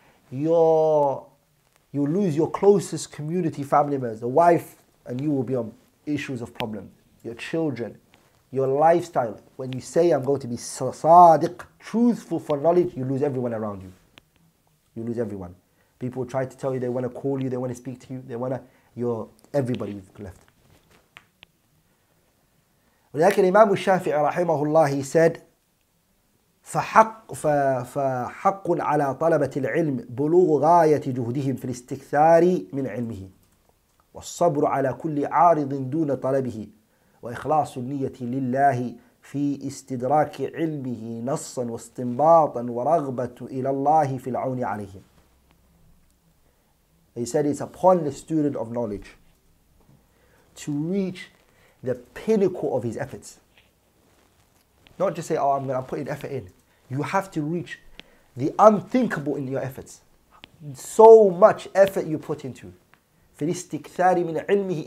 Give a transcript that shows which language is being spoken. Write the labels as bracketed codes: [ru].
[en] You'll lose your closest community family members, the wife, and you will be on issues of problems. Your children, your lifestyle. When you say, I'm going to be sadiq, truthful for knowledge, you lose everyone around you. You lose everyone. People try to tell you, they want to call you, they want to speak to you, they want to, you're everybody you've left. [ar] ولكن Imam الشافعي رحمه الله, [en] he said, [ar] فحق على طلبة العلم بلوغ غاية جهدهم في الاستكثار من علمه والصبر على كل عارض دون طلبه وإخلاص النية لله في استدراك علمه نصا واستنباطا ورغبة إلى الله في العون عليهم. [en] He said, it's upon the student of knowledge to reach the pinnacle of his efforts. Not just say, oh, I'm putting effort in. You have to reach the unthinkable in your efforts. So much effort you put into. [ar] فِي الْاِسْتِكْثَارِ مِنْ عِلْمِهِ.